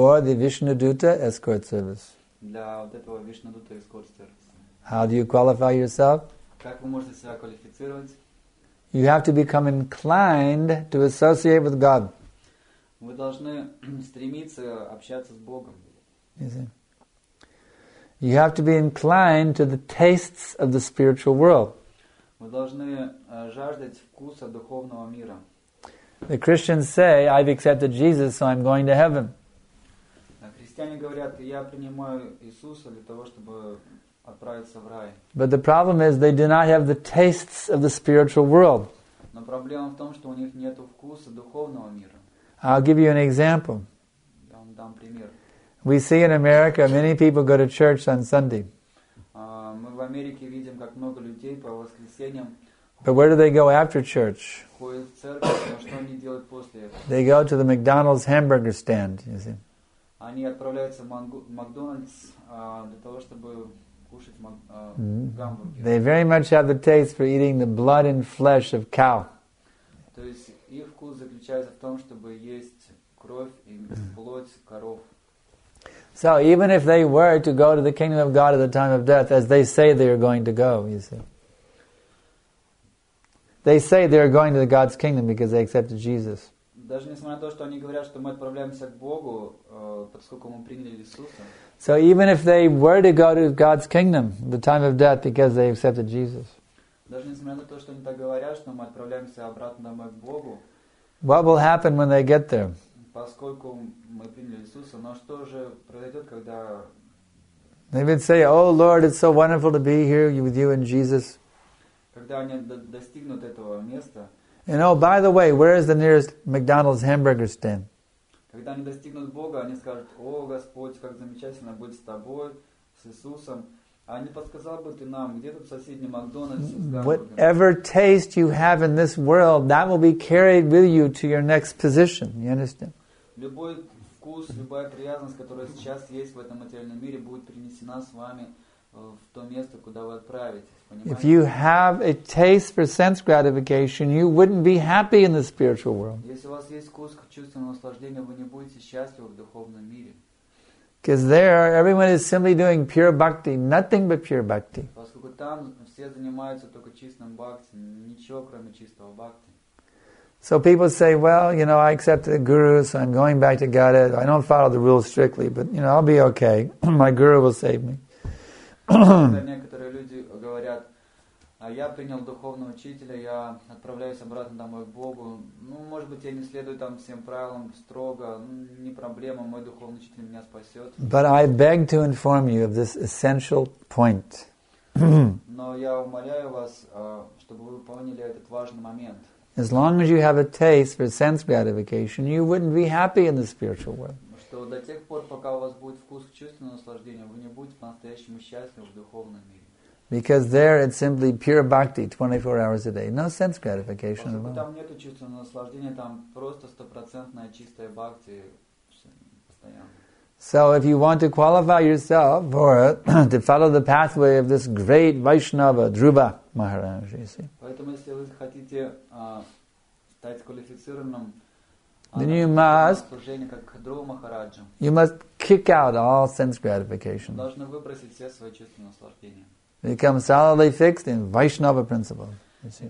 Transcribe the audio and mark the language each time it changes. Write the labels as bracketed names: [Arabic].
[English] For the Vishnuduta escort service. [Russian] Для вот этого Vishnuduta escort service. [English] How do you qualify yourself? [Russian] Как вы можете себя квалифицировать? [English] You have to become inclined to associate with God. [Russian] Вы должны стремиться общаться с Богом. [English] You see. You have to be inclined to the tastes of the spiritual world. [Russian] Мы должны жаждать вкуса духовного мира. [English] The Christians say, I've accepted Jesus, so I'm going to heaven. [Russian] Христиане говорят, я принимаю Иисуса для того, чтобы отправиться в рай. [English] But the problem is, they do not have the tastes of the spiritual world. [Russian] Но проблема в том, что у них нет вкуса духовного мира. [English] I'll give you an example. [Russian] Я вам дам пример. [English] We see in America, many people go to church on Sunday. [Russian] Мы в Америке видим, как много людей по воскресеньям. [English] But where do they go after church? [Russian] Ходят в церковь, но что они делают после этого? [English] They go to the McDonald's hamburger stand, you see. [Russian] Они отправляются в Макдональдс для того, чтобы кушать гамбургер. [English] They very much have the taste for eating the blood and flesh of cow. [Russian] То есть их вкус заключается в том, чтобы есть кровь и плоть коров. [English] So even if they were to go to the kingdom of God at the time of death, as they say they are going to go, you see. They say they are going to the God's kingdom because they accepted Jesus. [Russian] Даже несмотря на то, что они говорят, что мы отправляемся к Богу, поскольку мы приняли Иисуса. [English] So even if they were to go to God's kingdom at the time of death because they accepted Jesus. [Russian] Даже несмотря на то, что они так говорят, что мы отправляемся обратно домой к Богу. [English] What will happen when they get there? [Russian] Поскольку мы приняли Иисуса, но что же произойдет, когда... [English] They would say, oh Lord, it's so wonderful to be here with you and Jesus. [Russian] Когда они достигнут этого места... [English] And oh, by the way, where is the nearest McDonald's hamburger stand? [Russian] Когда они достигнут Бога, они скажут, о Господь, как замечательно быть с Тобой, с Иисусом. А не подсказал бы Ты нам, где тут соседний Макдональдс? [English] Whatever taste you have in this world, that will be carried with you to your next position. You understand? [Russian] Любой вкус, любая привязанность, которая сейчас есть в этом материальном мире, будет принесена с вами в то место, куда вы отправитесь. Понимаете? [English] If you have a taste for sense gratification, you wouldn't be happy in the spiritual world. [Russian] Если у вас есть вкус к чувственному наслаждению, вы не будете счастливы в духовном мире. [English] Because there, everyone is simply doing pure bhakti, nothing but pure bhakti. [Russian] Поскольку там все занимаются только чистым бхакти, ничего кроме чистого бхакти. [English] So people say, well, you know, I accepted a guru, so I'm going back to Gaudiya. I don't follow the rules strictly, but, you know, I'll be okay. My guru will save me. [Russian] Некоторые люди говорят, А я принял духовного учителя, я отправляюсь обратно домой к Богу. Ну, может быть, я не следую там всем правилам строго, ну, не проблема, мой духовный учитель меня спасет. [English] But I beg to inform you of this essential point. [Russian] Но я умоляю вас, чтобы вы поняли этот важный момент. [English] As long as you have a taste for sense gratification, you wouldn't be happy in the spiritual world. [Russian] Что до тех пор, пока у вас будет вкус к чувственному наслаждению, вы не будете по-настоящему счастливы в духовном мире. [English] Because there it's simply pure bhakti, 24 hours a day. No sense gratification at all. [Russian] Там нету чувственного наслаждения, там просто стопроцентная чистая бхакти постоянно. [English] So if you want to qualify yourself for to follow the pathway of this great Vaishnava, Dhruva Maharaj, you see. [Russian] Поэтому если вы хотите стать квалифицированным, [English] then you must, kick out all sense gratification. [Russian] Должны выбросить все свои чувственные наслаждения. [English] Become solidly fixed in Vaishnava principle. You